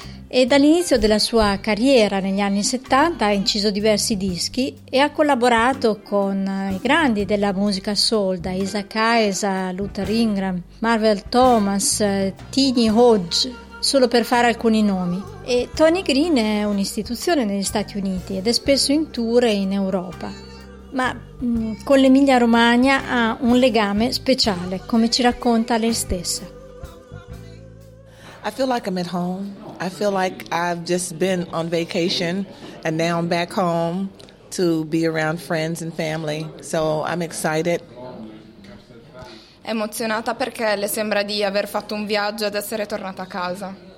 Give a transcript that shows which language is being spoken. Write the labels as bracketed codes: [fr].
[it] E dall'inizio della sua carriera negli anni 70 ha inciso diversi dischi e ha collaborato con i grandi della musica soul, da Isaac Hayes a Luther Ingram, Marvel Thomas, Teeny Hodge, solo per fare alcuni nomi. E Tony Green è un'istituzione negli Stati Uniti ed è spesso in tour in Europa, ma con l'Emilia Romagna ha un legame speciale, come ci racconta lei stessa. [en] I feel like I'm at home. I feel like I've just been on vacation and now I'm back home to be around friends and family. So I'm excited. [it] È emozionata perché le sembra di aver fatto un viaggio ed essere tornata a casa.